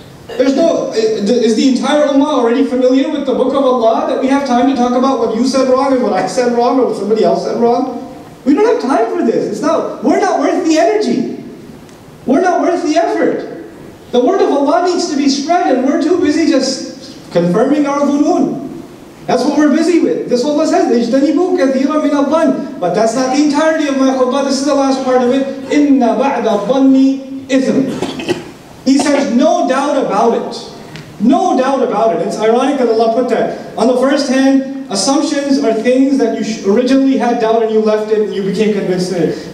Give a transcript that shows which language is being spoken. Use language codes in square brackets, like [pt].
[en] Is the entire Ummah already familiar with the Book of Allah that we have time to talk about what you said wrong and what I said wrong or what somebody else said wrong? We don't have time for this. We're not worth the energy. We're not worth the effort. The word of Allah needs to be spread, and we're too busy just confirming our dhunun. That's what we're busy with. This Allah says, [ar] اِجْتَنِبُوا كَثِيرًا مِنَ الظَّنِ. [en] But that's not the entirety of my khutbah. This is the last part of it. [ar] إِنَّ بَعْدَ الظَّنِّ إِثْمٍ. [en] He says, no doubt about it. No doubt about it. It's ironic that Allah put that. On the first hand, assumptions are things that you originally had doubt and you left it and you became convinced of it.